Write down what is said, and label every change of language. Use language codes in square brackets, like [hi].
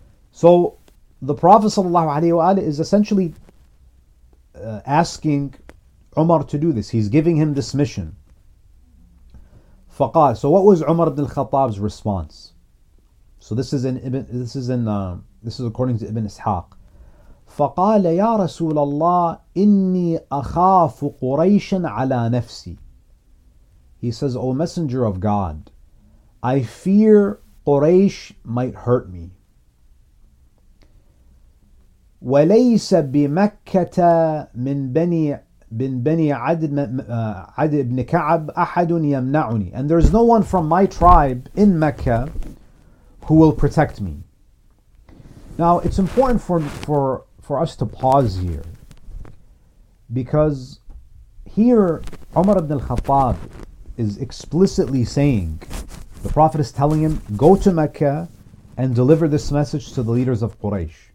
[en] So the Prophet ﷺ is essentially asking Umar to do this. He's giving him this mission. [ar] فقال. [en] So what was Umar ibn al-Khattab's response? So this is according to Ibn Ishaq. [ar] فقال يا رسول الله إني أخاف قريشا على نفسي. [en] He says, O Messenger of God, I fear Quraysh might hurt me. [ar] وليس بمكة من بني بن بني عدي عدي بن كعب أحد يمنعني. [en] And there is no one from my tribe in Mecca who will protect me. Now it's important for us to pause here, because here Umar ibn al-Khattab is explicitly saying, the Prophet is telling him, go to Mecca and deliver this message to the leaders of Quraysh.